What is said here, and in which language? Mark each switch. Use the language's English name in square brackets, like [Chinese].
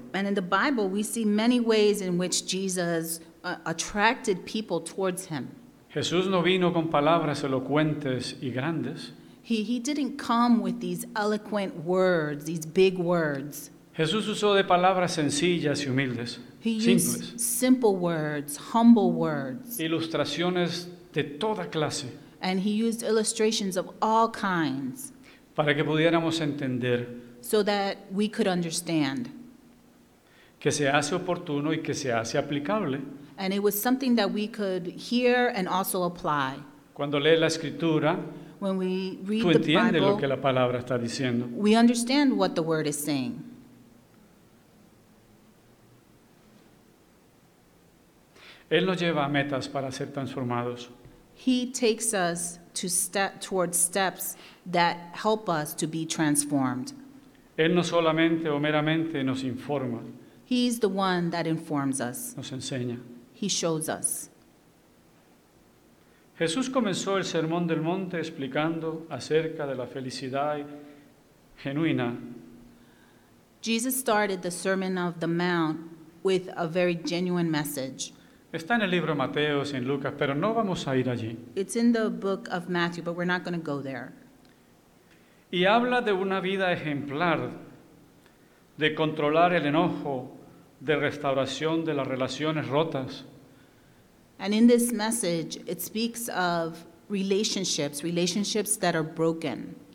[English] And in the Bible we see many ways in which Jesus attracted people towards him. [Spanish] Jesús no vino con palabras elocuentes y grandes. [English] He didn't come with these eloquent words, these big words. [Spanish] Jesús usó de palabras sencillas y humildes. [English] He [Spanish] simples. [English] Used simple words, humble words. [Spanish] Ilustraciones de toda clase. [English] And he used illustrations of all kinds. [Spanish] Para que pudiéramos entender. [English] So that we could understand. [Spanish] Que se hace oportuno y que se hace aplicable. [English] And it was something that we could hear and also apply. [Spanish] Cuando lees la escritura, [English] when we read [Spanish] tú entiendes [English] the Bible, [Spanish] lo que la palabra está diciendo. [English] We understand what the word is saying. [Spanish] Él nos lleva a metas para ser transformados. [English] He takes us to step towards steps that help us to be transformed. [Spanish] Él no solamente o meramente nos informa. [English] He's the one that informs us. [Spanish] Nos enseña. [English] He shows us. [Spanish] Jesús comenzó el Sermón del Monte explicando acerca de la felicidad genuina. [English] Jesus started the Sermon of the Mount with a very genuine message. [Spanish] Está en el libro de Mateo y en Lucas, pero no vamos a ir allí. [English] It's in the book of Matthew, but we're not going to go there. [Spanish] Y habla de una vida ejemplar, de controlar el enojo, de restauración de las relaciones rotas. [English] And in this message, it speaks of relationships that are broken.